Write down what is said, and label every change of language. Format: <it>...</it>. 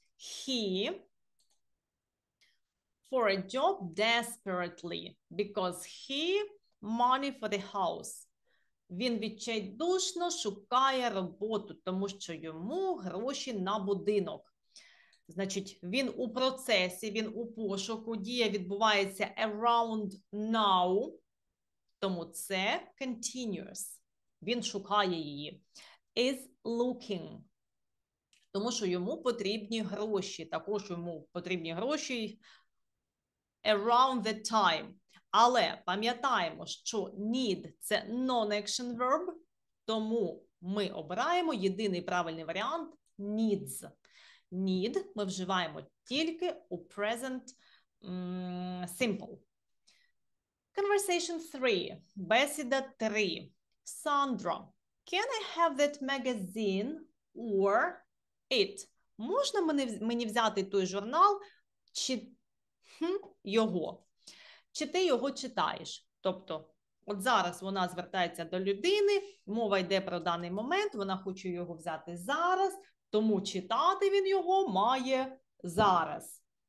<en>He for a job desperately, because he money for the house.</en> <uk>Він відчайдушно шукає роботу, тому що йому гроші на будинок. Значить, він у процесі, він у пошуку, дія відбувається</uk> <en>around now,</en> <uk>Тому це continuous. Він шукає її.</uk> <en>Is looking.</en> <uk>Тому що йому потрібні гроші. Також йому потрібні гроші</uk> <en>around the time.</en> <uk>Але пам'ятаємо, що need – це non-action verb. Тому ми обираємо єдиний правильний варіант – needs. Need ми вживаємо тільки у present simple.</uk> <en>Conversation 3.</en> <uk>Бесіда 3.</uk> <en>Sandra, can I have that magazine or it?</en> <uk>Можна мені взяти той журнал чи його? Чи ти його читаєш? Тобто, от зараз вона звертається до людини, мова йде про даний момент, вона хоче його взяти зараз, тому читати він його має зараз.</uk>